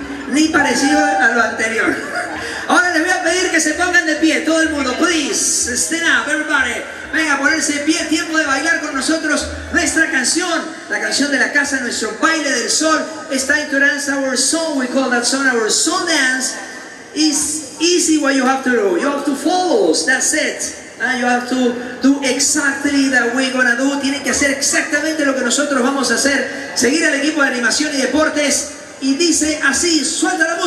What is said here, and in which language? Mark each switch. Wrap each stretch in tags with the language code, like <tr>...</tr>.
<es>Ni parecido a lo anterior. Ahora les voy a pedir que se pongan de pie, todo el mundo.</es> <en>Please, stand up, everybody.</en> <es>Venga, ponerse de pie, tiempo de bailar con nosotros nuestra canción, la canción de la casa, nuestro baile del sol.</es> <en>It's time to dance our song, we call that song our song dance. It's easy what you have to do. You have to follow, that's it. You have to do exactly what we're gonna do.</en> <es>Tienen que hacer exactamente lo que nosotros vamos a hacer. Seguir al equipo de animación y deportes. Y dice así, suelta.</es>